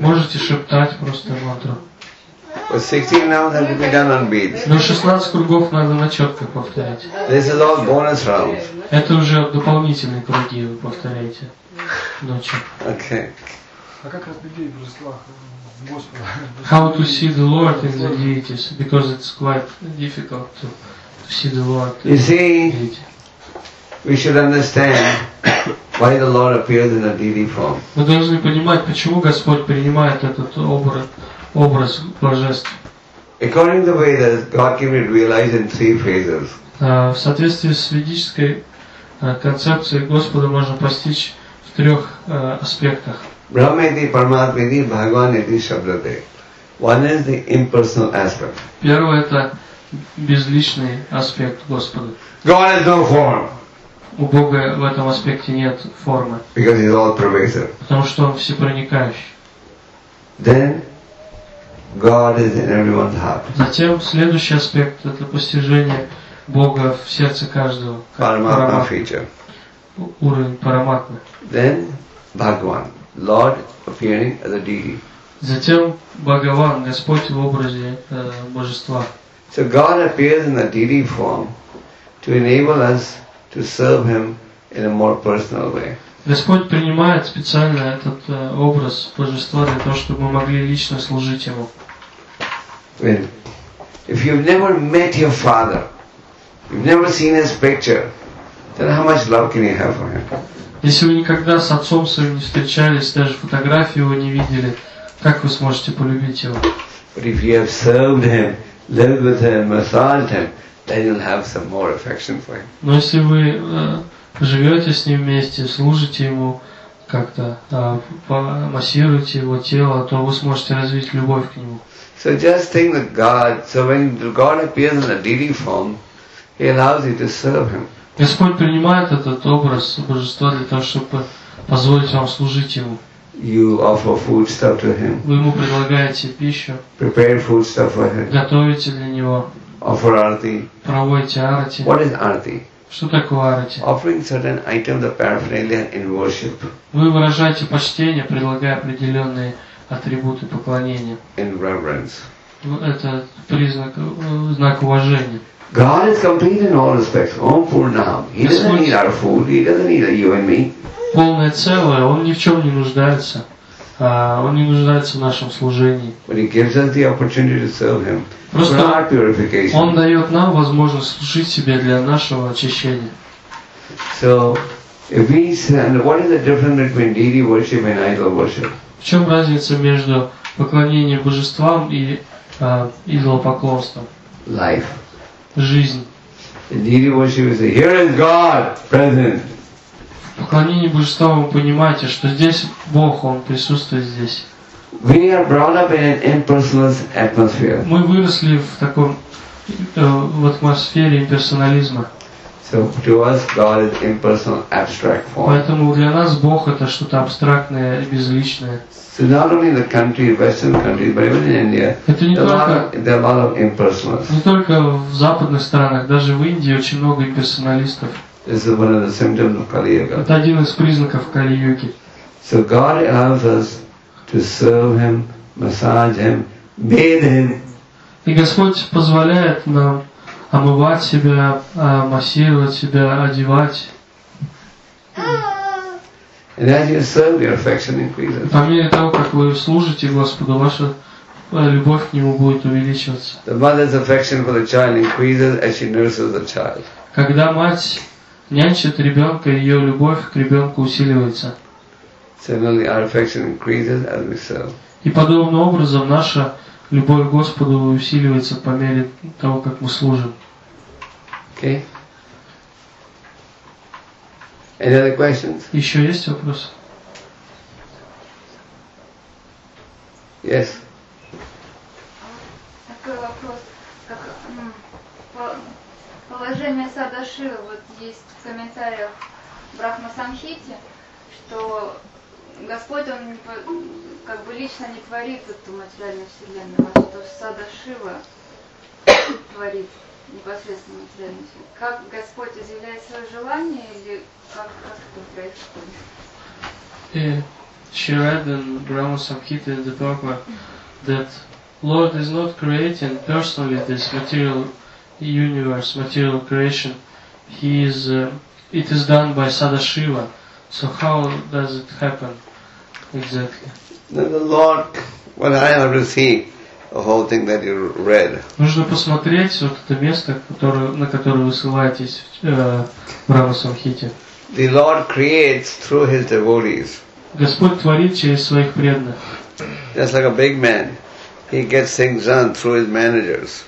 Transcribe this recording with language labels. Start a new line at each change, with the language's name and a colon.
Russian: Можете шептать просто мантру.
English: But 16 rounds have to be done on beads.
Russian: Но 16 кругов надо на четко повторять.
English: This is all bonus rounds.
Russian: Это уже дополнительные круги вы повторяете ночью.
English: Okay.
Russian: А как разглядеть благословение Господа?
English: How to see the Lord in the deities? Because it's quite difficult to see the Lord. You see, we should understand why the Lord appears in a deity form.
Russian: Мы должны понимать, почему Господь принимает этот образ божеств.
English: According to the way that God can be realized in three phases.
Russian: В соответствии с ведической концепцией Господа можно постичь в трех аспектах.
English: Brahmeti, Paramatmeti, Bhagavaneti, Shabdate. One is the impersonal aspect.
Russian: Первое — это безличный аспект Господа.
English: God has no form.
Russian: У Бога в этом аспекте нет формы.
English: Because He is all pervasive.
Russian: Потому что Он всепроникающий.
English: Then God is in everyone's heart.
Russian: Затем следующий аспект — это постижение Бога в сердце каждого.
English: Paramatma feature.
Russian: Уровень Параматмы.
English: Then Bhagavan. Lord appearing as a deity.
Russian: Затем Бхагаван, Господь в образе божества.
English: So God appears in a deity form to enable us to serve Him in a more personal way.
Russian: Господь принимает специально этот образ божества для того, чтобы мы могли лично служить Ему.
English: When, if you've never met your father, you've never seen his picture, then how much love can you have for him?
Russian: Если вы никогда с отцом своим не встречались, даже фотографии его не видели, как вы сможете полюбить его?
English: But if you have served him, lived with him, massaged him, then you'll have some more affection for him.
Russian: Но если вы живете с ним вместе, служите ему как-то, массируете его тело, то вы сможете развить любовь к нему.
English: So just think that God, so when God appears in a deity form, He allows you to serve Him.
Russian: Господь принимает этот образ Божества для того, чтобы позволить вам служить Ему.
English: You offer food stuff to Him.
Russian: Вы Ему предлагаете пищу.
English: Prepare food stuff for Him.
Russian: Готовите для Него.
English: Offer arati.
Russian: Проводите арати.
English: What is arati?
Russian: Что такое арати?
English: Offering certain items of paraphernalia in worship.
Russian: Вы выражаете почтение, предлагая определенные атрибуты поклонения.
English: In reverence.
Russian: Это признак, знак уважения.
English: God is complete in all respects. Om Purnam. He doesn't need our food. He doesn't need you and me.
Russian: Полное целое. Он ни в чем не нуждается. Он не нуждается в нашем служении.
English: But He gives us the opportunity to serve Him.
Russian: Просто
English: for our purification.
Russian: Он дает нам возможность служить себе для нашего очищения.
English: So, if we stand, what is the difference between deity worship and idol worship?
Russian: В чем разница между поклонением божествам и идолопоклонством?
English: Life.
Russian: Жизнь.
English: Deity worship is here is God present.
Russian: В поклонении Божества вы понимаете, что здесь Бог, Он присутствует здесь.
English: We are brought up in an impersonal atmosphere.
Russian: Мы выросли в таком в атмосфере имперсонализма.
English: So to us God is impersonal, abstract form.
Russian: Поэтому для нас Бог — это что-то абстрактное, безличное.
English: So not only the country, Western country, but even in India, there are a lot of impersonalists.
Russian: Не только в западных странах, даже в Индии очень много имперсоналистов.
English: This is one of the symptoms of Kali Yuga.
Russian: Это один из признаков Кали-Юги.
English: So God allows us to serve Him, massage Him, bathe Him.
Russian: И Господь позволяет нам омывать себя, массировать себя, одевать.
English: And as you serve, your affection increases.
Russian: По мере того, как вы служите Господу, ваша любовь к Нему будет увеличиваться.
English: The mother's affection for the child increases as she nurses the child.
Russian: Когда мать нянчит ребенка, ее любовь к ребенку усиливается.
English: Similarly, our affection increases as we serve.
Russian: И подобным образом наша любовь к Господу усиливается по мере того, как мы служим.
English: Okay. Any other questions?
Russian: Еще есть вопросы?
English: Yes.
Russian: Такой вопрос. Как, положение Садашива, вот есть в комментариях Брахма Самхите, что Господь, Он как бы лично не творит эту материальную вселенную, а что Садашива творит непосредственно материальностью. Как Господь изъявляет свое желание, или как это происходит?
English: She read in Brahma Samhita, the Bhagavad, that Lord is not creating personally this material universe, material creation. He is, it is done by Sadashiva. So how does it happen exactly? Then the Lord, what I have to see, the whole thing that you read.
Russian: Нужно посмотреть вот это место, на которое вы ссылаетесь, Брахма Самхите.
English: The Lord creates through His devotees.
Russian: Господь творит через своих преданных.
English: Just like a big man, he gets things done through his managers.